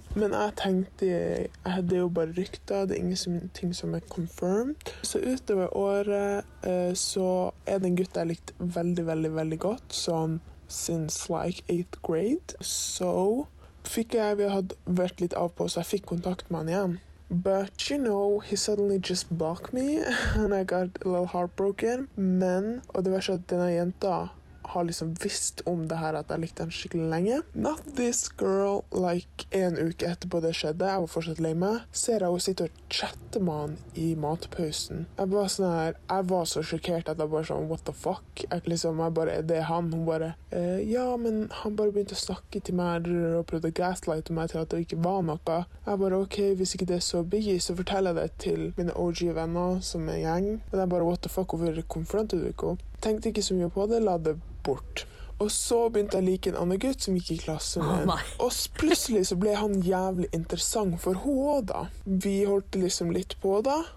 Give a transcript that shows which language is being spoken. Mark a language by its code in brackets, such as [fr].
[no] Men jeg tenkte, det er jo bare rykta, det er ingenting som er confirmed. Så utover året så er det en gutt jeg likte veldig, veldig, veldig godt, sånn [en] since like 8th grade. [no] Så fikk jeg, vi hadde vært litt av på, så jeg fikk kontakt med han igjen. [en] But you know, he suddenly just blocked me and I got a little heartbroken. [no] Men, og det var sånn at denne jenta har liksom visst om det her, at jeg likte henne skikkelig lenge. [en] Not this girl, like [no] en uke etterpå det skjedde, jeg var fortsatt lei meg, ser jeg henne sitte og chatte med han i matpausen. Jeg var sånn her, jeg var så sjokkert at jeg bare sånn, [en] what the fuck? [no] At liksom, jeg bare, det er han. Hun bare, ja, men han bare begynte å snakke til meg og prøvde å gaslighte meg til at det ikke var noe. Jeg bare, ok, hvis ikke det er så biggie, så forteller jeg det til mine OG-venner som er gjeng. Og det er bare, [en] what the fuck, [no] hvorfor konfronter du ikke? Tenkte ikke så mye på det, la det bort. Og så begynte jeg like en annen gutt som gikk i klasse med. Og plutselig så ble han jævlig interessant for henne da. Vi holdt liksom litt på da.